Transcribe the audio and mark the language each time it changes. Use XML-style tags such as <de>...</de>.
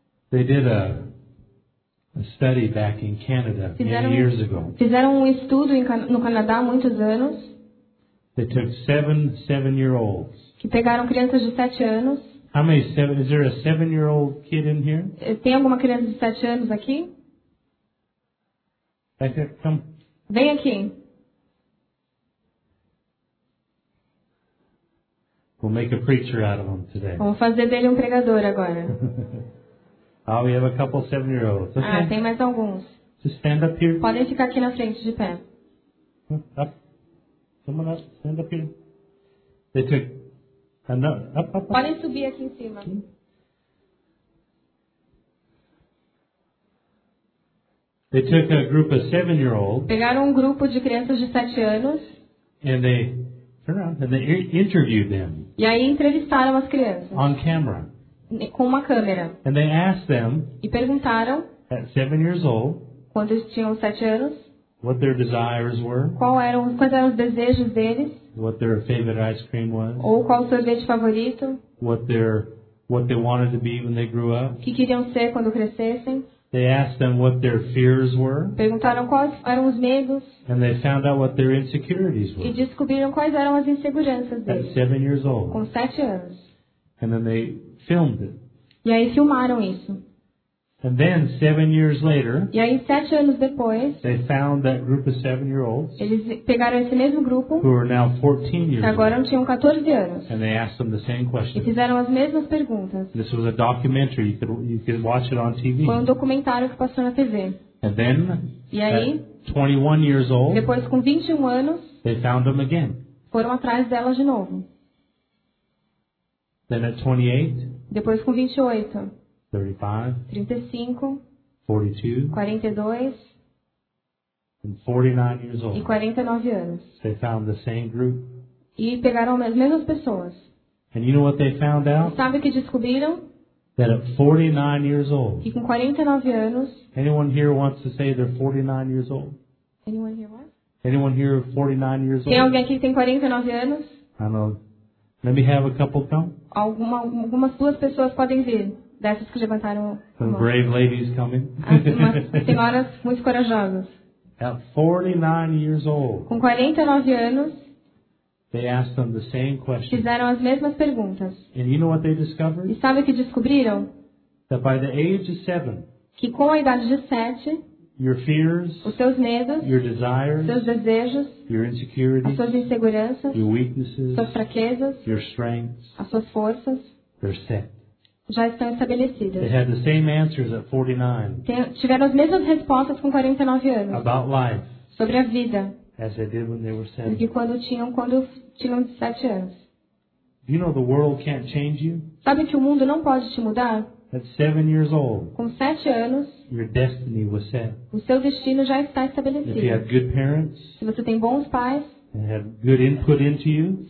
<en>They did a study back in Canada many years ago.</en> <pt>Fizeram um estudo no Canadá muitos anos.</pt> <en>They took seven-year-olds.</en> <pt>Que pegaram crianças de 7 anos.</pt> <en>How many seven? Is there a 7-year-old kid in here?</en> <pt>Tem alguma criança de 7 anos aqui? Vem aqui.</pt> <en>We'll make a preacher out of him today.</en> <pt>Vamos fazer dele pregador agora.</pt> <en>Oh, we have a couple 7-year-olds. Okay.</en> <pt>Ah, tem mais alguns.</pt> <en>Just stand up here.</en> <pt>Podem ficar aqui na frente de pé.</pt> <en>Up. Someone up. Stand up here. They took another. Up, up, up.</en> <pt>Podem subir aqui em cima.</pt> <en>They took a group of 7-year-olds.</en> <pt>Pegaram grupo de crianças de 7 anos.</pt> <en>And they turn around and they interviewed them.</en> <pt>E aí entrevistaram as crianças.</pt> <en>On camera.</en> <pt>Com uma câmera.</pt> <en>And they asked them.</en> <pt>E perguntaram.</pt> <en>At 7 years old.</en> <pt>Quando eles tinham 7 anos.</pt> <en>What their desires were.</en> <pt>Quais eram os desejos deles.</pt> <en>What their favorite ice cream was.</en> <pt>Ou qual sorvete favorito.</pt> <en>What they wanted to be when they grew up.</en> <pt>Que queriam ser quando crescessem.</pt> <en>They asked them what their fears were.</en> <pt>Perguntaram quais eram os medos.</pt> <en>And they found out what their insecurities were.</en> <pt>E descobriram quais eram as inseguranças deles.</pt> <en>At 7 years old.</en> <pt>Com 7 anos.</pt> <en>And then they filmed it.</en> <pt>E aí filmaram isso.</pt> <en>And then 7 years later.</en> <pt>E aí 7 anos depois.</pt> <en>They found that group of 7-year-olds.</en> <pt>Eles pegaram esse mesmo grupo.</pt> <en>Who are now 14 years old.</en> <pt>Que agora tinham 14 anos.</pt> <en>And they asked them the same questions.</en> <pt>E fizeram as mesmas perguntas.</pt> <en>This was a documentary. You could watch it on TV.</en> <pt>Foi documentário que passou na TV.</pt> <en>And then.</en> <pt>E aí.</pt> <en>At 21 years old.</en> <pt>Depois com 21 anos.</pt> <en>They found them again.</en> <pt>Foram atrás dela de novo.</pt> <en>Then at 28.</en> <pt>Depois com 28.</pt> <en>35, 42, and 49 years old. They found the same group.</en> <pt>E pegaram as mesmas pessoas.</pt> <en>And you know what they found out?</en> <pt>Sabe que descobriram?</pt> <en>That at 49 years old.</en> <pt>E com 49 anos.</pt> <en>Anyone here wants to say they're 49 years old? Anyone here what? Anyone here 49 years old?</en> <pt>Tem alguém aqui que tem 49 anos?</pt> <en>I know. Let me have a couple come.</en> <pt>Algumas duas pessoas podem vir. Dessas que levantaram.</pt> <en>Some brave ladies coming.</en> <pt>As senhoras muito corajosas.</pt> <en>At 49 years old.</en> <pt>Com 49 anos.</pt> <en>They asked them the same question.</en> <pt>Fizeram as mesmas perguntas.</pt> <en>And you know what they discovered?</en> <pt>E sabe o que descobriram?</pt> <en>That by the age of 7,</en> <pt>que com a idade de 7,</pt> <en>your fears,</en> <pt>os seus medos,</pt> <en>your desires,</en> <pt>seus desejos,</pt> <en>your insecurities,</en> <pt>as suas inseguranças,</pt> <en>your weaknesses,</en> <pt>suas fraquezas,</pt> <en>your strengths,</en> <pt>as suas forças,</pt> <en>they're set.</en> <pt>Já estão estabelecidas.</pt> <en>They had the same answers at 49.</en> <pt>Tiveram as mesmas respostas com 49 anos.</pt> <en>About life.</en> <pt>Sobre a vida.</pt> <en>As they did when they were 7.</en> <pt>Do que quando tinham 7 anos.</pt> <en>You know the world can't change you?</en> <pt>Sabe que o mundo não pode te mudar?</pt> <en>At 7 years old,</en> <pt>com 7 anos,</pt> <en>your destiny was set.</en> <pt>O seu destino já está estabelecido.</pt> <en>If you have good parents,</en> <pt>se você tem bons pais,</pt> <en>and have good input into you,</en>